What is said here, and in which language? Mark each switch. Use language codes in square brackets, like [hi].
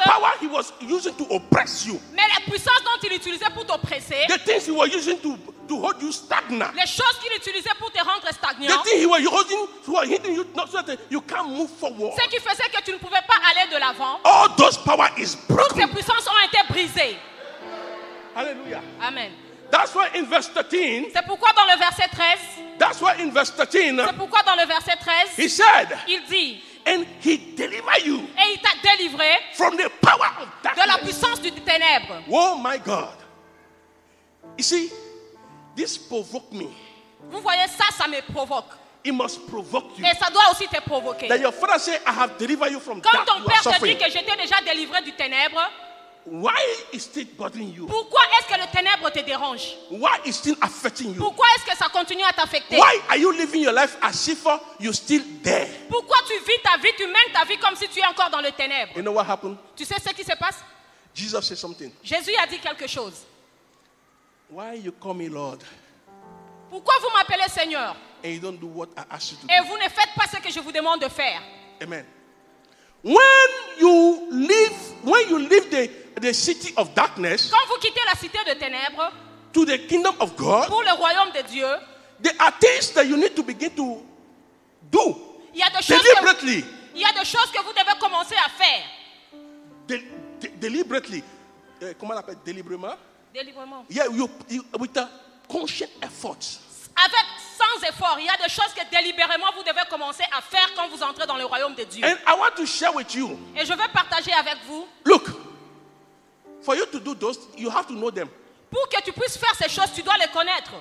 [en] The power he was using to oppress you. [fr] Mais la puissance dont il utilisait pour t'oppresser. [en] The things he was using to hold you stagnant. [fr] Les choses qu'il utilisait pour te rendre stagnant. [en] The things he was using to hold you not so that you can't move forward. [fr] Ce qui faisait que tu ne pouvais pas aller de l'avant. [en] All those power is broken. [fr] Toutes ces puissances ont été brisées. [en] Hallelujah. [fr] Amen. [en] That's why in verse 13. [fr] C'est pourquoi dans le verset 13. [en] That's why in verse 13. [fr] C'est pourquoi dans le verset 13. [en] He said. [fr] Il dit. [en] And he delivered you. [fr] Et il t'a délivré. [en] From the power of darkness. [fr] De la puissance du ténèbre. [en] Oh my God. You see, this provoked me. [fr] Vous voyez ça, ça me provoque. [en] It must provoke you. [fr] Et ça doit aussi te provoquer. [en] That your father said, I have delivered you from [fr] quand [en] dark, [fr] ton père te dit que j'étais déjà délivré du ténèbre. [en] Why is it bothering you? [fr] Pourquoi est-ce que le ténèbre te dérange? [en] Why is it affecting you? [fr] Pourquoi est-ce que ça continue à t'affecter? [en] Why are you living your life as if you're still there? [fr] Pourquoi tu vis ta vie, tu mènes ta vie comme si tu es encore dans le ténèbre? [en] You know what happened? [fr] Tu sais ce qui se passe? [en] Jesus said something. [fr] Jésus a dit quelque chose. [en] Why you call me Lord? [fr] Pourquoi vous m'appelez Seigneur? [en] And you don't do what I ask you to do. [fr] Et vous ne faites pas ce que je vous demande de faire. [en] Amen. When you leave the city of darkness, [fr] quand vous quittez la cité de ténèbres, [en] to the kingdom of God, [fr] pour le royaume de Dieu, [en] there are things that you need to begin to do. [fr] Il y a des choses [en] deliberately. [fr] Il y a des choses que vous devez commencer à faire. Deliberately, comment on appelle délibérément? Délibérément. [en] Yeah, with a conscious effort. [fr] Avec sans effort, il y a des choses que délibérément vous devez commencer à faire quand vous entrez dans le royaume de Dieu. [en] And I want to share with you. [fr] Et je veux partager avec vous. [en] Look, for you to do those, you have to know them. [fr] Pour que tu puisses faire ces choses, tu dois les connaître.